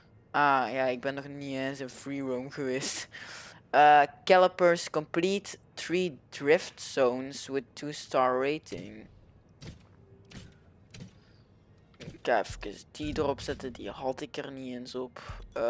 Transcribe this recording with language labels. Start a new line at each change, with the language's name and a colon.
Dutch: Ah ja, ik ben nog niet eens in free roam geweest.
English: Calipers complete 3 drift zones with 2 star rating.
Dutch: Ik ga even die erop zetten, die had ik er niet eens op.